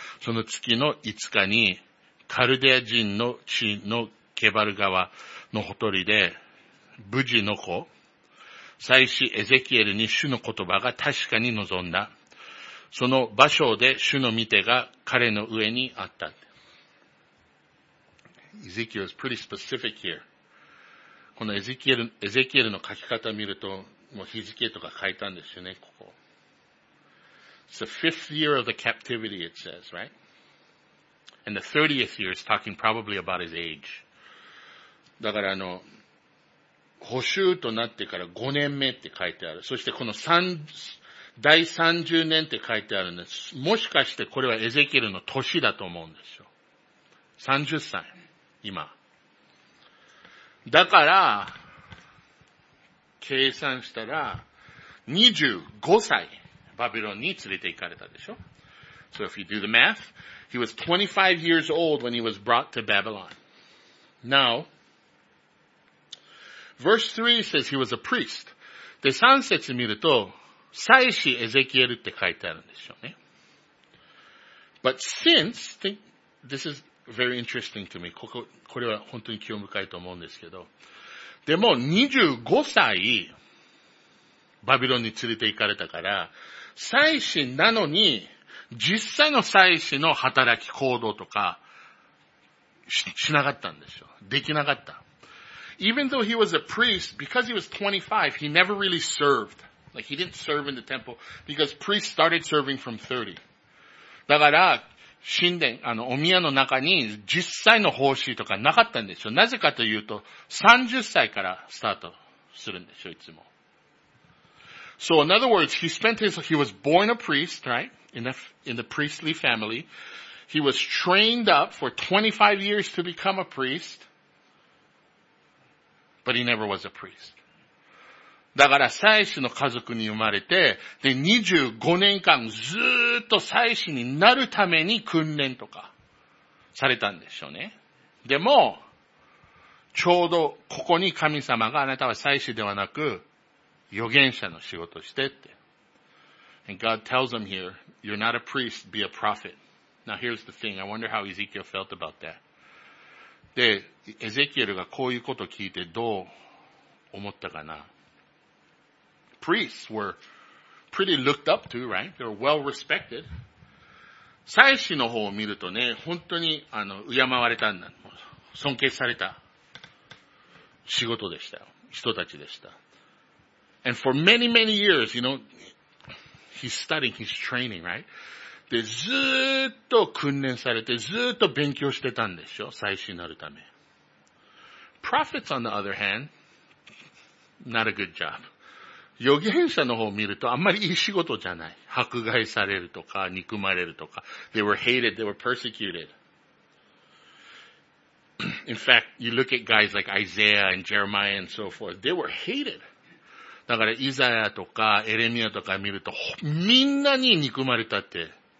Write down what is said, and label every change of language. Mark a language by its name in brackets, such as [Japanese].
[Japanese] その月の5日にカルデア人の地のケバル川のほとりで無事の子、祭司エゼキエルに主の言葉が確かに望んだ。その場所で主の御手が彼の上にあった。 [English] エゼキエル is pretty specific here. [Japanese] このエゼキエルの書き方を見ると、もう日付とか書いたんですよね、ここ。 [English] It's the fifth year of the captivity, it says, right? And the 30th year is talking probably about his age. [Japanese] だから捕囚となってから5年目って書いてある。そしてこの第30年って書いてあるんです。もしかしてこれはエゼキエルの年だと思うんですよ。30歳、今。だから、計算したら、25歳、バビロンに連れて行かれたでしょ。 [English] So if you do the math, he was 25 years old when he was brought to Babylon. Now,Verse 3 says he was a priest. [Japanese] で、3節見ると、祭司エゼキエルって書いてあるんですよね。 [English] But since, think, this is very interesting to me. [Japanese] これは本当に興味深いと思うんですけど。でも、25歳、バビロンに連れて行かれたから、祭司なのに、実際の祭司の働き行動とか、しなかったんですよ。できなかった。 [English] Even though he was a priest, because he was 25, he never really served. Like, he didn't serve in the temple, because priests started serving from 30. [Japanese] だから、神殿、お宮の中に実際の奉仕とかなかったんですよ。なぜかというと、30歳からスタートするんですよ、いつも。 [English] So, in other words, he was born a priest, right? In the priestly family. He was trained up for 25 years to become a priest. But he never was a priest. [Japanese] だから祭司の家族に生まれて、で25年間ずっと祭司になるために訓練とかされたんでしょうね。でも、ちょうどここに神様があなたは祭司ではなく預言者の仕事してって。 [English] And God tells him here, you're not a priest, be a prophet. Now here's the thing, I wonder how Ezekiel felt about that. [Japanese] で、エゼキエルがこういうことを聞いてどう思ったかな。 [English] Priests were pretty looked up to, right? They were well respected. [Japanese] 祭司の方を見るとね、本当に敬われたんだ。尊敬された仕事でした。人たちでした。 [English] And for many, many years, you know, he's studying, he's training, right? [Japanese] で、ずーっと訓練されて、ずーっと勉強してたんでしょ、祭司になるため。 [English] Prophets, on the other hand, not a good job. [Japanese] 預言者の方を見ると、あんまりいい仕事じゃない。迫害されるとか、憎まれるとか。 [English] They were hated, they were persecuted. In fact, you look at guys like Isaiah and Jeremiah and so forth, they were hated. [Japanese] だから、イザヤとか、エレミアとか見ると、みんなに憎まれたって。